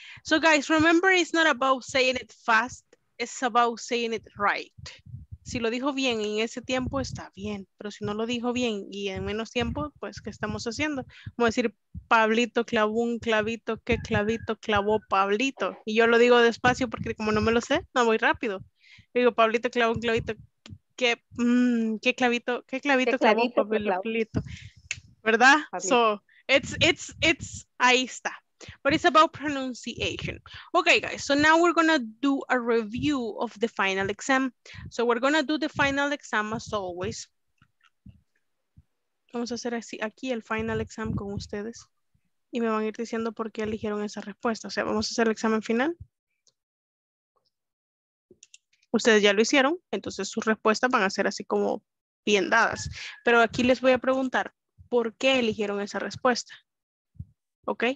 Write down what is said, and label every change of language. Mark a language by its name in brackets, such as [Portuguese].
[English] So guys, remember it's not about saying it fast, it's about saying it right. [Spanish] Si lo dijo bien en ese tiempo, está bien. Pero si no lo dijo bien y en menos tiempo, pues, ¿qué estamos haciendo? Vamos a decir, Pablito clavó un clavito, ¿qué clavito clavó Pablito? Y yo lo digo despacio porque como no me lo sé, no voy rápido. Digo, Pablito clavó un clavito, ¿qué clavito clavó Pablito? ¿Verdad? Pablito. [English] So, it's, [Spanish] ahí está. [English] But it's about pronunciation. Okay, guys, so now we're gonna do a review of the final exam. So we're gonna do the final exam as always. [Spanish] Vamos a hacer así aquí el final exam con ustedes. Y me van a ir diciendo por qué eligieron esa respuesta. O sea, vamos a hacer el examen final. Ustedes ya lo hicieron, entonces sus respuestas van a ser así como bien dadas. Pero aquí les voy a preguntar por qué eligieron esa respuesta. Okay.